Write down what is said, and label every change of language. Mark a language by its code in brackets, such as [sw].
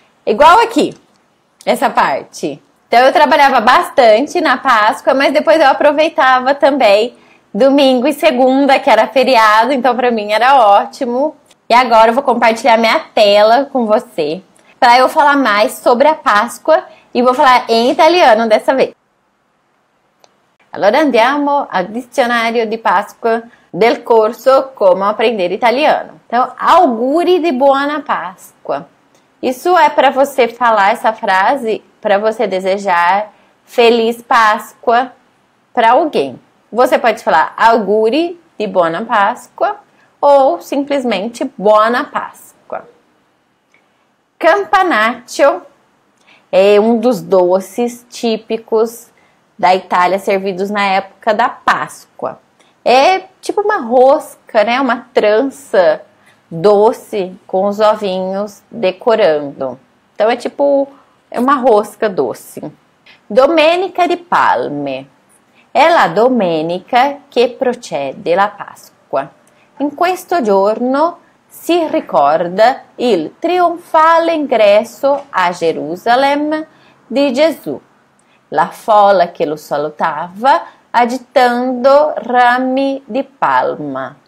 [pt] Igual aqui, essa parte. Então eu trabalhava bastante na Páscoa, mas depois eu aproveitava também domingo e segunda, que era feriado, então para mim era ótimo. E agora eu vou compartilhar minha tela com você, para eu falar mais sobre a Páscoa e vou falar em italiano dessa vez. [it] Allora andiamo al dizionario di Pasqua del corso Come Apprendere Italiano. [pt] Então, [it] auguri di buona Pasqua. [pt] Isso é para você falar essa frase, para você desejar Feliz Páscoa para alguém. Você pode falar [it] auguri di buona Pasqua [pt] ou simplesmente buona Pasqua. Campanaccio é um dos doces típicos da Itália servidos na época da Páscoa. É tipo uma rosca, né? Uma trança doce com os ovinhos decorando. Então é tipo uma rosca doce. [it] Domenica di Palme. È la domenica che precede la Pasqua. In questo giorno si ricorda il trionfale ingresso a Gerusalemme di Gesù. La folla che lo salutava agitando rami di palma.